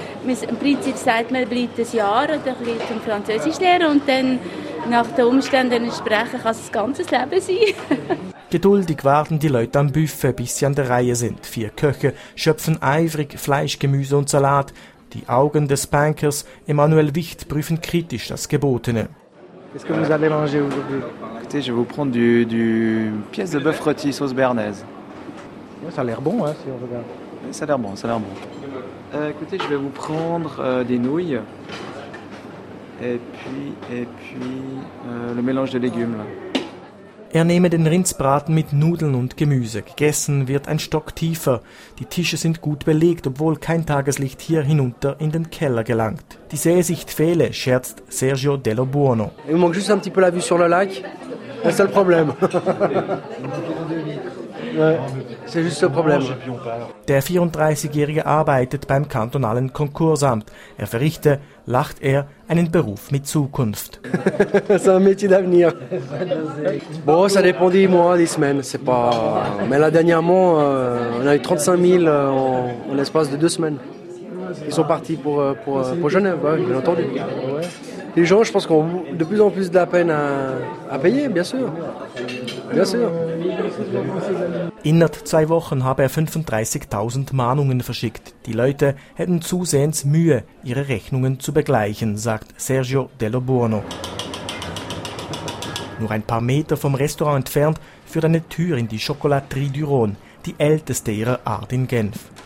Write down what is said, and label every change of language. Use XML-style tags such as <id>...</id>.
<de>Im Prinzip sagt man, bleibt ein Jahr oder ein bisschen Französisch lernen und dann nach den Umständen sprechen kann es das ganze Leben sein. Geduldig warten die Leute am Buffet, bis sie an der Reihe sind. 4 Köche schöpfen eifrig Fleisch, Gemüse und Salat. Die Augen des Bankers Emmanuel Wicht prüfen kritisch das Gebotene.</de> <fr>Qu'est-ce que vous allez manger aujourd'hui? Écoutez, je vais vous prendre du pièce de bœuf rôti sauce béarnaise. Ça a l'air bon, hein, si on regarde. Ça a l'air bon, ça a l'air bon. Écoutez, je vais vous prendre des nouilles et puis le mélange de légumes. Là.</fr> <de>Er nehme den Rindsbraten mit Nudeln und Gemüse. Gegessen wird ein Stock tiefer. Die Tische sind gut belegt, obwohl kein Tageslicht hier hinunter in den Keller gelangt. Die Sehsicht fehle, scherzt Sergio Dello Buono.</de> <fr>Il manque juste un petit peu la vue sur le lac. C'est le problème. C'est juste le problème.</fr> <de>Der 34-Jährige arbeitet beim kantonalen Konkursamt. Er verrichte, lacht er, einen Beruf mit Zukunft.</de> <fr>C'est un métier d'avenir. Bon, ça dépend des mois, des semaines. C'est pas. Mais là, dernièrement, on a eu 35 000 en l'espace de 2 semaines. Ils sont partis pour Genève, ouais, bien entendu. Les gens, je pense qu'ont de plus en plus de la peine à payer, bien sûr. Bien sûr.</fr> <de>Innerhalb 2 Wochen habe er 35.000 Mahnungen verschickt. Die Leute hätten zusehends Mühe, ihre Rechnungen zu begleichen, sagt Sergio Dello Buono. Nur ein paar Meter vom Restaurant entfernt führt eine Tür in die Chocolaterie du Rhône, die älteste ihrer Art in Genf.</de>